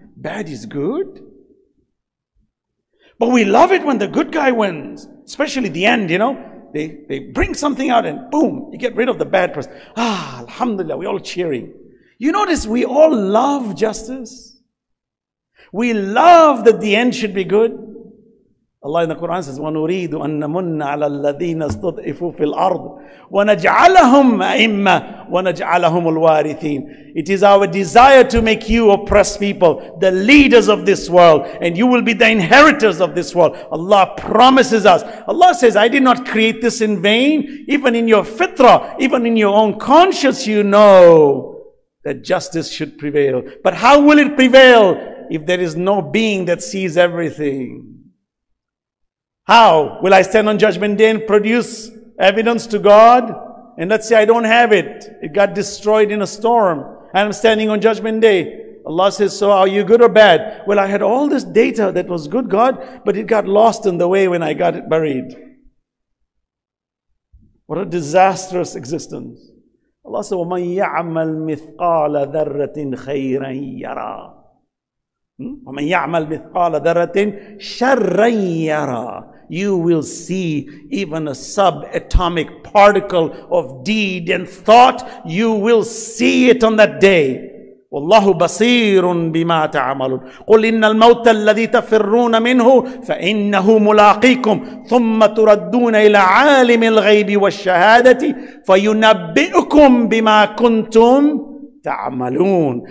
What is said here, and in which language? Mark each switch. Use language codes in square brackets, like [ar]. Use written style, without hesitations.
[en] Bad is good? But we love it when the good guy wins. Especially the end, you know. They bring something out and boom, you get rid of the bad person. Ah, alhamdulillah, we're all cheering. You notice we all love justice. We love that the end should be good. Allah in the Quran says, [ar] وَنُرِيدُ أَنَّمُنَّ عَلَى الَّذِينَ اسْتُضْعِفُوا فِي الْأَرْضِ وَنَجْعَلَهُمْ أَئِمَّةً وَنَجْعَلَهُمُ الْوَارِثِينَ. [en] It is our desire to make you oppressed people, the leaders of this world, and you will be the inheritors of this world. Allah promises us. Allah says, I did not create this in vain. Even in your fitrah, even in your own conscience, you know that justice should prevail. But how will it prevail if there is no being that sees everything? How will I stand on judgment day and produce evidence to God? And let's say I don't have it. It got destroyed in a storm. And I'm standing on judgment day. Allah says, so are you good or bad? Well, I had all this data that was good, God, but it got lost in the way when I got it buried. What a disastrous existence. Allah says, [ar] وَمَنْ يَعْمَلْ مِثْقَالَ ذَرَّةٍ خَيْرًا يَرَى. وَمَنْ يَعْمَلْ مِثْقَالَ ذَرَّةٍ شَرًّا يَرَى. [en] You will see even a subatomic particle of deed and thought. You will see it on that day. [ar] وَاللَّهُ بَصِيرٌ بِمَا تَعْمَلُونَ. قُلْ إِنَّ الْمَوْتَ الَّذِي تَفِرُّونَ مِنْهُ فَإِنَّهُ مُلَاقِيكُمْ ثُمَّ تُرَدُّونَ إِلَى عَالِمِ الْغَيْبِ وَالشَّهَادَةِ فَيُنَبِّئُكُمْ بِمَا كُنْتُمْ تَعْمَلُونَ.